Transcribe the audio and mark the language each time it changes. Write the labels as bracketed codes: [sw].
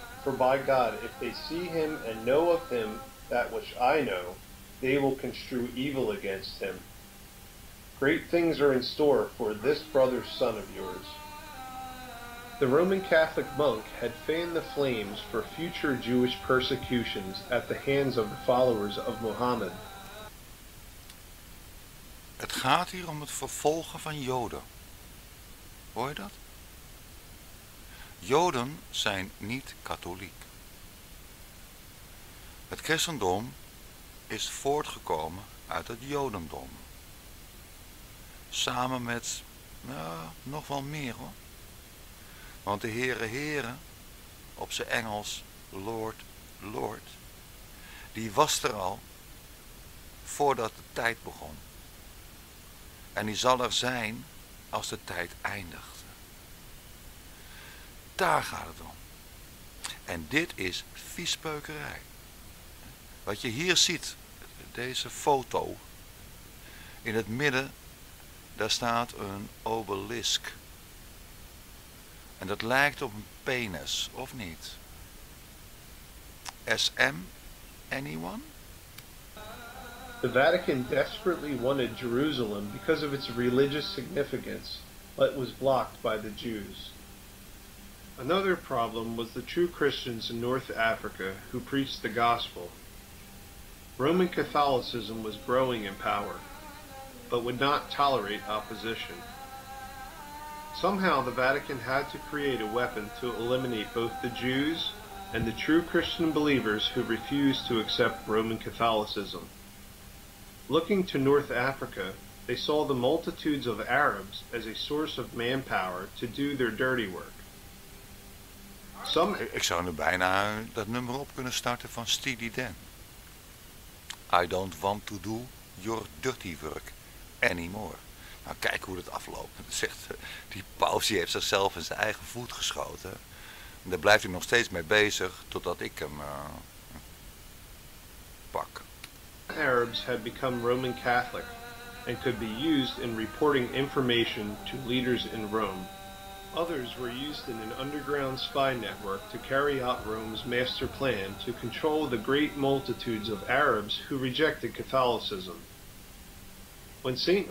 [en] For by God, if they see him and know of him that which I know, they will construe evil against him. Great things are in store for this brother's son of yours." The Roman Catholic monk had fanned the flames for future Jewish persecutions at the hands of the followers of Mohammed. [nl] Het gaat hier om het vervolgen van Joden. Hoor je dat? Joden zijn niet katholiek. Het christendom is voortgekomen uit het Jodendom. Samen met, nog wel meer hoor. Want de Heere Heere, op zijn Engels, Lord, Lord, die was er al voordat de tijd begon. En die zal er zijn als de tijd eindigt. Daar gaat het om. En dit is viespeukerij. Wat je hier ziet, deze foto, in het midden, daar staat een obelisk. En dat lijkt op een penis, of niet? [en] SM, anyone? The Vatican desperately wanted Jerusalem because of its religious significance, but was blocked by the Jews. Another problem was the true Christians in North Africa who preached the gospel. Roman Catholicism was growing in power, but would not tolerate opposition. Somehow the Vatican had to create a weapon to eliminate both the Jews and the true Christian believers who refused to accept Roman Catholicism. Looking to North Africa, they saw the multitudes of Arabs as a source of manpower to do their dirty work. [nl] Ik zou nu bijna dat nummer op kunnen starten van Steely Dan. [en] I don't want to do your dirty work anymore. [nl] Nou, kijk hoe dat afloopt. Zegt, die paus die heeft zichzelf in zijn eigen voet geschoten. En daar blijft hij nog steeds mee bezig totdat ik hem pak. [en] Arabs had become Roman Catholic and could be used in reporting information to leaders in Rome. Others were used in an underground spy network to carry out Rome's master plan to control the great multitudes of Arabs who rejected Catholicism. When St.